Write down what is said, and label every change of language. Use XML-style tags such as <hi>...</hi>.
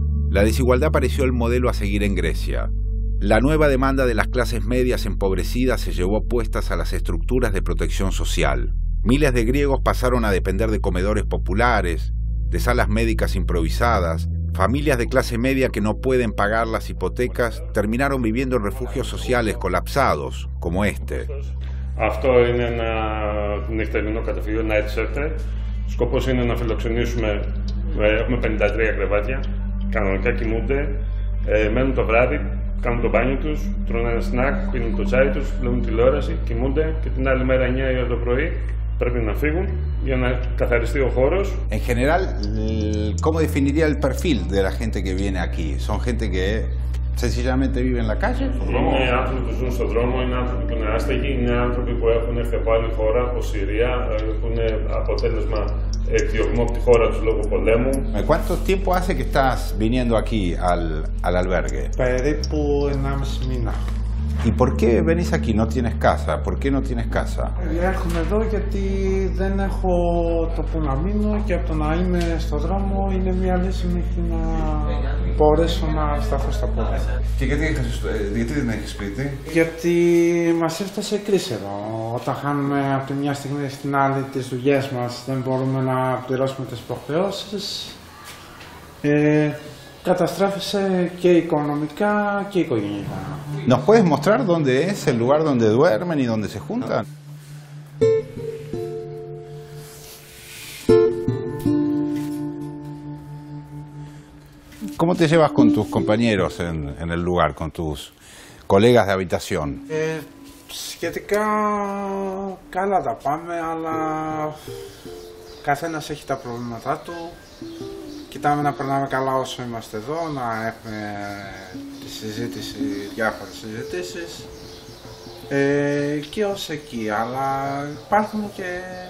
<es>La desigualdad pareció el modelo a seguir en Grecia. La nueva demanda de las clases medias empobrecidas se llevó puestas a las estructuras de protección social. Miles de griegos pasaron a depender de comedores populares, de salas médicas improvisadas. Familias de clase media que no pueden pagar las hipotecas terminaron viviendo en refugios sociales colapsados, como este.</es> <el>Αυτό είναι ένα νυχτερινό καταφύγιο,</el> <en>night shelter.</en> <el>Σκοπός είναι να φιλοξενήσουμε, έχουμε 53 κρεβάτια, κανονικά κοιμούνται, μένουν το βράδυ, κάνουν το μπάνιο τους, τρώνε ένα σνακ, πίνουν το τσάι τους, βλέπουν τηλεόραση, κοιμούνται και την άλλη μέρα 9 η ώρα το πρωί πρέπει να φύγουν για να καθαριστεί ο χώρος.</el> <es>En general, ¿cómo definiría el perfil de la gente que viene aquí? ¿Son gente que sencillamente vive en la calle?</es> <el>Είναι άνθρωποι που ζουν στον δρόμο, είναι άνθρωποι που είναι άστεγοι, είναι άνθρωποι που έχουν έρθει από άλλη χώρα, από Συρία, που είναι αποτέλεσμα εκδιωγμού από τη χώρα τους λόγω πολέμου.</el> <es>Με cuánto tiempo hace que estás viniendo aquí al albergue?</es> <el>Περίπου 1,5 μήνα.</el> <es>¿Y por qué venís aquí? ¿No tienes casa? ¿Por qué no tienes casa?</es> <el>Έρχομαι εδώ γιατί δεν έχω το που να μείνω και από το να είμαι στον δρόμο είναι μια λύση μέχρι να μπορέσω να σταθώ στα πόδια. Και γιατί δεν έχεις σπίτι? Γιατί μας έφτασε κρίση εδώ. Όταν χάνουμε από τη μια στιγμή στην άλλη τις δουλειές μας, δεν μπορούμε να πληρώσουμε τις υποχρεώσεις. Καταστράφησε και οικονομικά και οικογενειακά.</el> <es>¿Nos puedes mostrar dónde es el lugar donde duermen y dónde se juntan? ¿Cómo te llevas con tus compañeros en el lugar, con tus colegas de habitación?</es> <el>Σχετικά καλά τα πάμε, αλλά καθένας έχει τα προβλήματά του. Κοιτάμε να περνάμε καλά όσο είμαστε εδώ, να έχουμε τη συζήτηση, διάφορες συζητήσεις και ως εκεί, αλλά υπάρχουν και...</el>